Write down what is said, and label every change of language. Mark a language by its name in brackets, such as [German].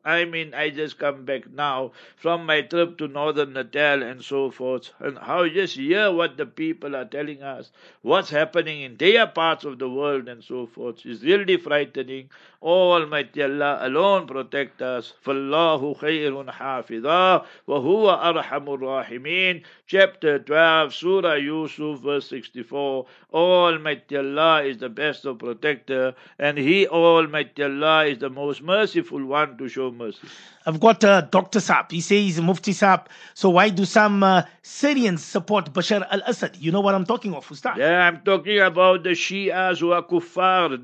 [English] I mean, I just come back now from my trip to Northern Natal and so forth, and how you just hear what the people are telling us, what's happening in their parts of the world and so forth. It's really frightening. Almighty Allah alone protect us. [Arabic] فَاللَّهُ خَيْرٌ حَافِظًا وَهُوَ أَرْحَمُ الرَّاحِمِينَ [English] Chapter 12, Surah Yusuf, verse 64. Almighty Allah is the best of protector, and He, Almighty Allah, is the most merciful one to show mercy. I've got Dr. Saab. He says, Mufti Saab, so why do some Syrians support Bashar al-Assad? You know what I'm talking of, Ustaz? Yeah, I'm talking about the Shias who are kuffar.